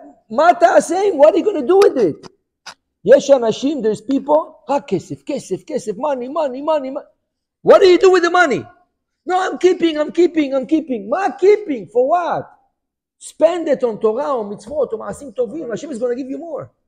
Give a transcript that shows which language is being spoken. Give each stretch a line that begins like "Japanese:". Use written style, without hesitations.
Hebrew: מה אתה עושה עם?
English: What are you going to do with it?
Hebrew: יש אנשים,
English: there's people,
Hebrew: רק כסף, money.
English: What do you do with the money? No, I'm keeping. מה keeping? For what? Spend it on Torah, on mitzvot, on מעשים טובים, Hashem is going to give you more.